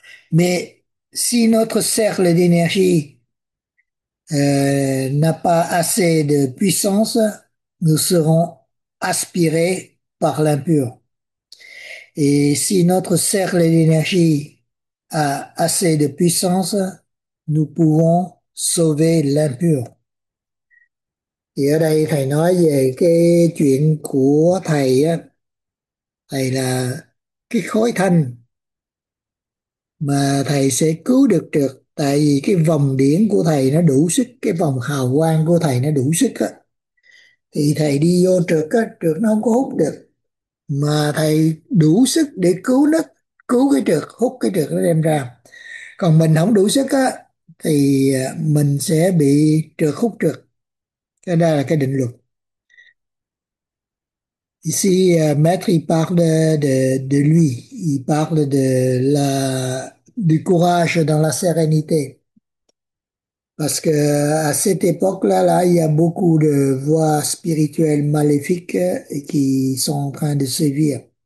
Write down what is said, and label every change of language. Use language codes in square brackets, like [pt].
[fr] Mais si notre cercle d'énergie n'a pas assez de puissance, nous serons aspirés par l'impur. Et si notre cercle d'énergie a assez de puissance, nous pouvons sauver l'impur. [vi] Thì ở đây thầy nói về cái chuyện của thầy á, thầy là cái khối thanh mà thầy sẽ cứu được được, tại vì cái vòng điển của thầy nó đủ sức, cái vòng hào quang của thầy nó đủ sức á, thì thầy đi vô trượt á, trượt nó không có hút được, mà thầy đủ sức để cứu nó, cứu cái trượt, hút cái trượt nó đem ra. Còn mình không đủ sức á thì mình sẽ bị trượt hút trượt. Cái đây là cái định luật. [fr] Ici, maître il parle de lui, il parle du courage dans la sérénité. Parce que à cette époque-là, là, il y a beaucoup de voies spirituelles maléfiques qui sont en train de sévir.